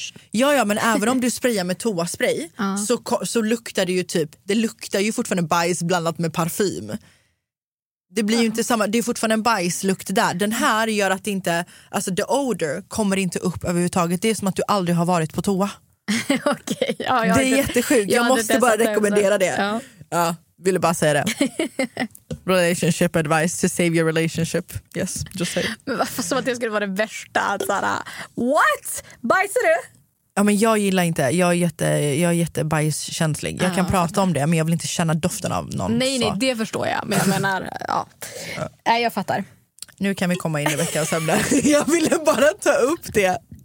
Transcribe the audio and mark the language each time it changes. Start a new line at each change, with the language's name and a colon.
Swedish: Ja, men även om du sprayar med toaspray så luktar det ju typ, det luktar ju fortfarande bajs blandat med parfym. Det blir ju inte samma, det är fortfarande en bajslukt där. Den här gör att det inte, alltså
English: the odor
Swedish: kommer inte upp överhuvudtaget. Det är som att du aldrig har varit på toa. Okej, ja. Det är jättesjukt, jag måste bara rekommendera det. Ja, ville bara säga det.
English: Relationship advice to save your relationship. Yes, just say.
Swedish: Men varför, som att det skulle vara det värsta, Sarah.
English: What?
Swedish: Bajsar du? Ja, men jag gillar inte, jag är jätte bajskänslig. Jag kan prata om det, men jag vill inte känna doften av någon. Nej, det förstår jag. Men jag menar, ja. Nej, jag fattar. Nu kan vi komma in i veckans ämne. Jag ville bara ta upp det.